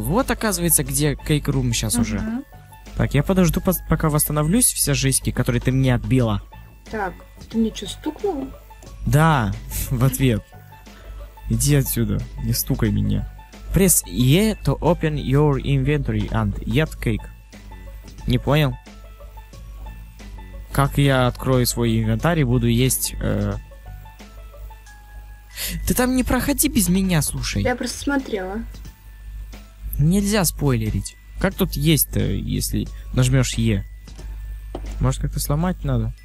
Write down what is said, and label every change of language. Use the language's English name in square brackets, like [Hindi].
[Russian] Вот оказывается, где кейкрум сейчас уже. Так, я подожду, пока восстановлюсь, все жизни, которые ты мне отбила. Так, ты мне что, стукнул? Да, в ответ. Иди отсюда, не стукай меня. [English] Press E to open your inventory and eat cake. [Russian] Не понял? Как я открою свой инвентарь и буду есть... Ты там не проходи без меня, слушай. Я просто смотрела. Нельзя спойлерить. Как тут есть-то, если нажмешь E? Может как-то сломать надо?